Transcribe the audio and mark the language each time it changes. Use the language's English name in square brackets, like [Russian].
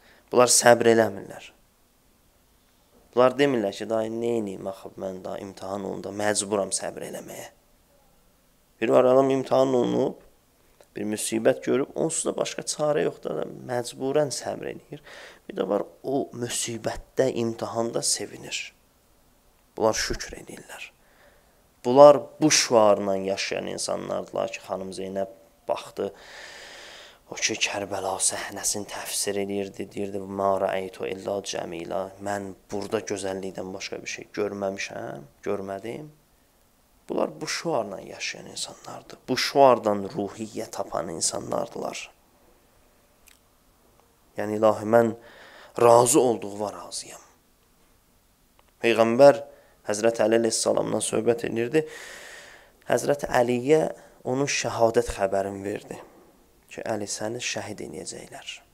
[Azerbaijani] Bunlar səbr eləmirlər. Bunlar demirlər ki, daha nə eləyim, axıb mən daha imtihan olunda məcburam səbr eləməyə. Bir var, adam imtihan olunub, bir müsibət görüb, onsuz da başqa çarə yoxdur, məcburən səbr eləyir. Bir də var, o müsibətdə, imtihanda sevinir. Bunlar şükür eləyirlər. Bunlar bu şüarla yaşayan insanlardırlar ki, xanım Zeynəb, baxdı, O ki, Kərbəla səhnəsini təfsir edirdi, deyirdi, [Arabic] ma raeytu illa cəmila, [Azerbaijani] mən burada gözəllikdən başqa bir şey görməmişəm, görmədim. Bunlar bu şuarla yaşayan insanlardır. Bu şuardan ruhiyyə tapan insanlardılar. Yəni, ilahi, mən razı olduğuma razıyam. Peyğəmbər Həzrəti Əli əleyhissalamdan söhbət edirdi. Həzrəti Əliyə onun şəhadət xəbərini verdi. Ki, Əli, səni şəhid edəcəklər.